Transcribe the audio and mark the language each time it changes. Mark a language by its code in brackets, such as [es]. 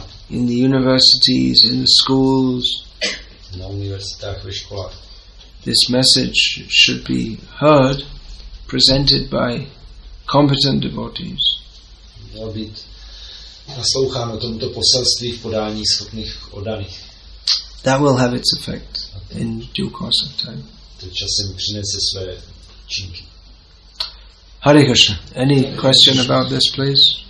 [en] In the universities, in the schools, [cs] na univerzitách, ve školách. [en] This message should be heard, presented by competent devotees. [cs] Mělo být nasloucháno tomuto poselství v podání schopných oddaných. [en] That will have its effect in due course of time. [cs] To časem přinese své činky. [en] Hare Krishna. Any question about this, please?